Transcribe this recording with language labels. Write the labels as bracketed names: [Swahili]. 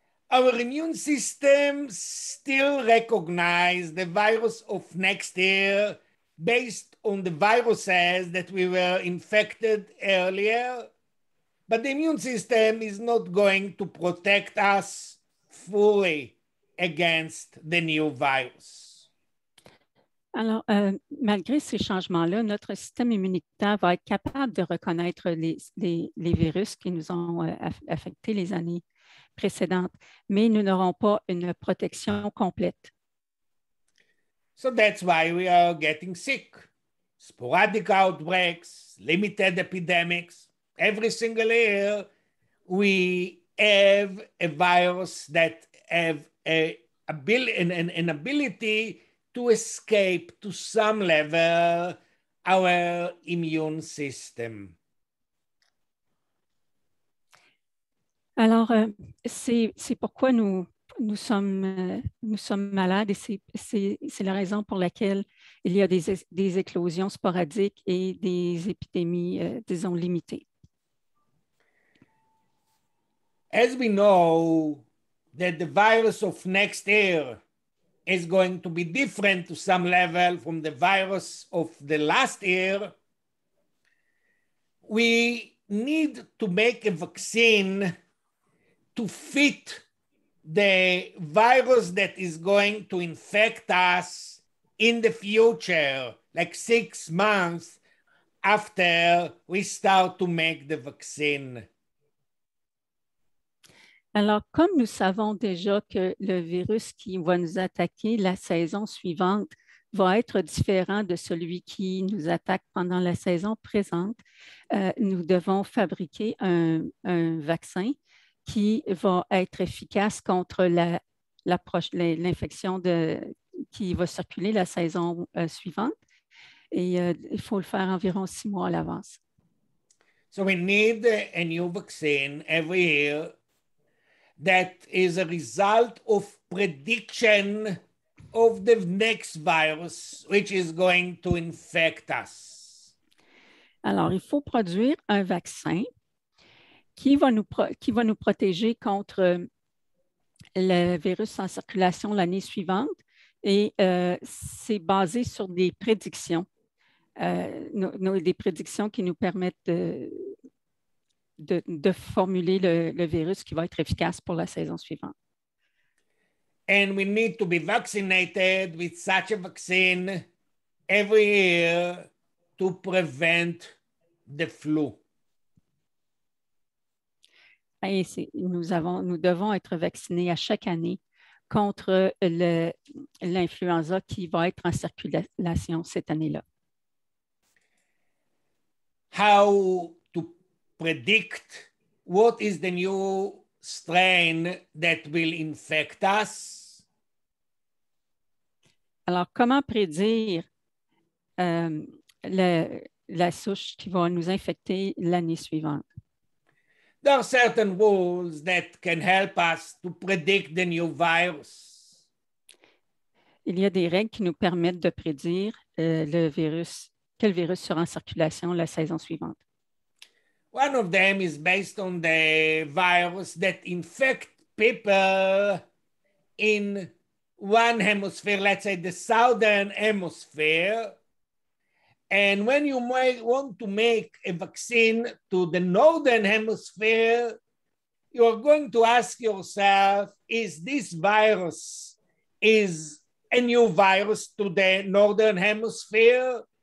[English] Our immune system still recognizes the virus of next year based on the viruses that we were infected earlier. But the immune system is not going to protect us fully against the new virus. [French] Alors, malgré ces changements-là, notre système immunitaire va être capable de reconnaître les virus qui nous ont affectés les années précédentes, mais nous n'aurons pas une protection complète. [English] So that's why we are getting sick. Sporadic outbreaks, limited epidemics. Every single year, we have a virus that have an ability to escape to some level our immune system. [French] Alors, c'est pourquoi nous sommes malades et c'est la raison pour laquelle il y a des éclosions sporadiques et des épidémies, disons, limitées. [English] As we know that the virus of next year is going to be different to some level from the virus of the last year, we need to make a vaccine to fit the virus that is going to infect us in the future, like 6 months after we start to make the vaccine. [French] Alors, comme nous savons déjà que le virus qui va nous attaquer la saison suivante va être différent de celui qui nous attaque pendant la saison présente, nous devons fabriquer un vaccin qui va être efficace contre l'infection qui va circuler la saison suivante. Et il faut le faire environ 6 mois à l'avance. [English] So we need a new vaccine every year. That is a result of prediction of the next virus, which is going to infect us. [French] Alors, il faut produire un vaccin qui va nous protéger contre le virus en circulation l'année suivante. Et c'est basé sur des prédictions, des prédictions qui nous permettent de formuler le virus qui va être efficace pour la saison suivante. [English] And we need to be vaccinated with such a vaccine every year to prevent the flu. [French] Nous devons être vaccinés à chaque année contre l'influenza qui va être en circulation cette année-là. [English] How predict what is the new strain that will infect us? [French] Alors, comment prédire la souche qui va nous infecter l'année suivante? [English] There are certain rules that can help us to predict the new virus. [French] Il y a des règles qui nous permettent de prédire quel virus sera en circulation la saison suivante. [English] One of them is based on the virus that infects people in one hemisphere, let's say the southern hemisphere. And when you want to make a vaccine to the northern hemisphere, you are going to ask yourself, is this virus is a new virus to the northern hemisphere?